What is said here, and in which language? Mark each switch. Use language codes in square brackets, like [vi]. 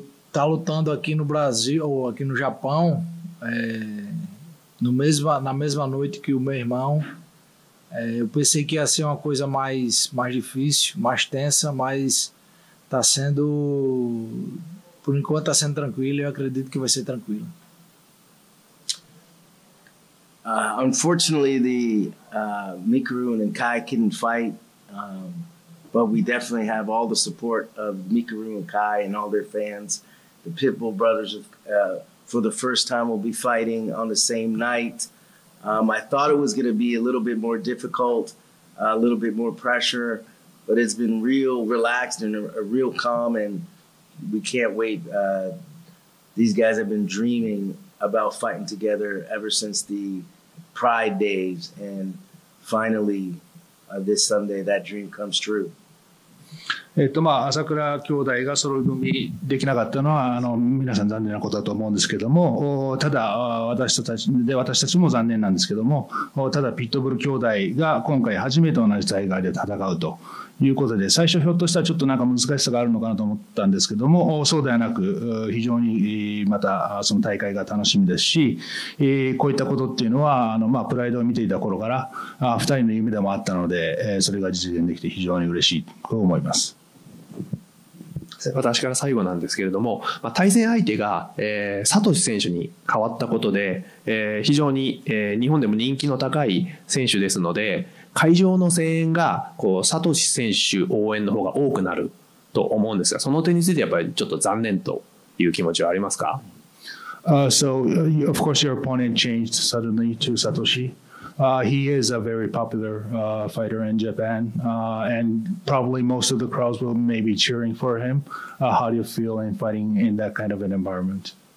[pt] E tá lutando aqui no Brasil, ou aqui no Japão, é, no mesmo, na mesma noite que o meu irmão. É, eu pensei que ia ser uma coisa mais, mais difícil, mais tensa, mas está sendo, por enquanto está sendo tranquilo, eu acredito que vai ser tranquilo. [en] Unfortunately, the Mikuru and Kai couldn't fight, but we definitely have all the support of Mikuru and Kai and all their fans. The Pitbull brothers, for the first time, will be fighting on the same night. I thought it was going to be a little bit more difficult, a little bit more pressure, but it's been real relaxed and a real calm, and we can't wait. These guys have been dreaming about fighting together ever since the Pride days, and finally, this Sunday, that dream comes true. [ja] まあ、朝倉兄弟が揃い組みできなかったのは皆さん残念なことだと思うんですけども、ただ私たちも残念なんですけども、ただピットブル兄弟が今回初めて同じ大会で戦うということで、最初ひょっとしたらちょっとなんか難しさがあるのかなと思ったんですけども、そうではなく非常にまたその大会が楽しみですし、こういったことっていうのはまあプライドを見ていた頃から2人の夢でもあったので、それが実現できて非常に嬉しいと思います。私から最後なんですけれども、対戦相手がサトシ選手に変わったことで、非常に日本でも人気の高い選手ですので、会場の声援がこうサトシ選手応援の方が多くなると思うんですが、その点についてやっぱりちょっと残念という気持ちはありますか？ [en] So of course your opponent changed suddenly to Satoshi. He is a very popular fighter in Japan, and probably most of the crowds will maybe cheering for him. How do you feel in fighting in that kind of an environment?